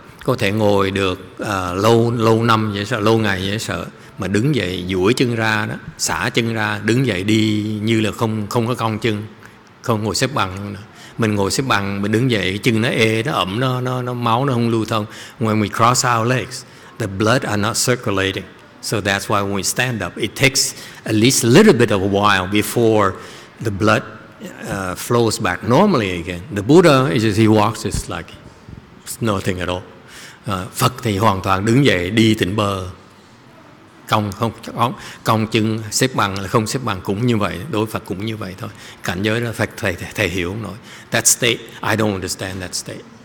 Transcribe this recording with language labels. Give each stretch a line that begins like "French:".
Vietnamese: có thể ngồi được lâu năm dễ sợ, lâu ngày dễ sợ, mà đứng dậy duỗi chân ra đó, xả chân ra, đứng dậy đi như là không có cong chân, không ngồi xếp bằng nữa. Mình ngồi xếp bằng, mình đứng dậy chân nó ê, nó ẩm, nó máu nó không lưu thông.
English: When we cross our legs, the blood are not circulating. So that's why when we stand up, it takes at least a little bit of a while before the blood flows back normally again. The Buddha is just, he walks just like nothing at all.
Vietnamese: Phật thì hoàn toàn đứng dậy đi tỉnh bơ, cong không cong chân, xếp bằng là không xếp bằng cũng như vậy, đối Phật cũng như vậy thôi. Cảnh giới đó phải thầy hiểu không nổi.
English: That state, I don't understand that state.